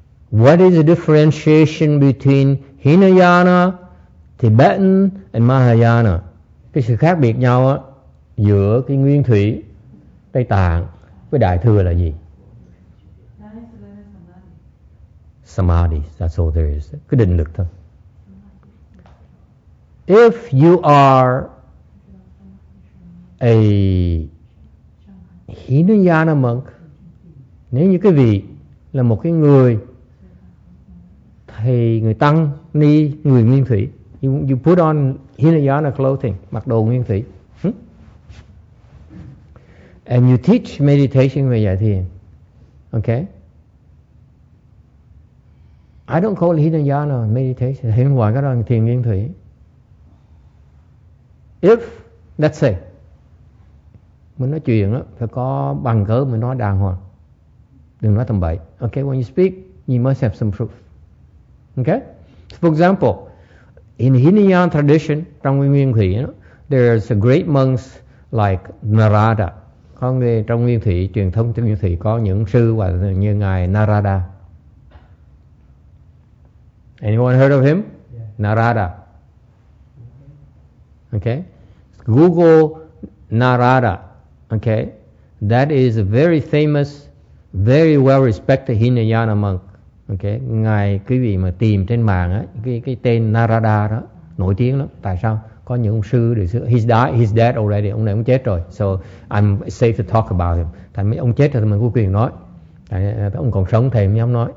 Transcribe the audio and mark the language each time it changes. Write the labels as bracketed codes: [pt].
[en] What is the differentiation between Hinayana, Tibetan and Mahayana? [vi] Cái sự khác biệt nhau á, giữa cái nguyên thủy Tây Tạng với Đại Thừa là gì? [en] Samadhi, that's all there is. [vi] Cái định lực thôi. [en] If you are a Hinayana monk, [vi] nếu như cái vị là một cái người thầy, người tăng ni, người nguyên thủy, [en] you put on Hinayana clothing, [vi] mặc đồ nguyên thủy, [en] and you teach meditation [vi] về giải thiền, okay? [en] I don't call Hinayana meditation. [vi] Hiện ngoài cái đó là thiền nguyên thủy. [en] If, let's say, [vi] mình nói chuyện đó, phải có bằng cớ mình nói đàng hoàng. Đừng nói tầm bậy. [en] Okay, when you speak, you must have some proof. Okay? So for example, in Hinayana tradition, [vi] trong nguyên nguyên thủy, [en] you know, there's a great monks like Narada. [vi] Có người trong nguyên thủy, truyền thống trong nguyên thủy, có những sư như Ngài Narada. [en] Anyone heard of him? Yeah. Narada. Okay? Google Narada. Okay? That is a very famous, very well respected Hinayana monk. Okay? [vi] Ngài, quý vị mà tìm trên mạng á, cái tên Narada đó, nổi tiếng lắm. Tại sao? Có những ông sư đời xưa. [en] He's dead already. [vi] Ông này cũng chết rồi. [en] So, I'm safe to talk about him. [vi] Tại mấy ông chết rồi thì mình có quyền nói. Ông còn sống thì mình không nói.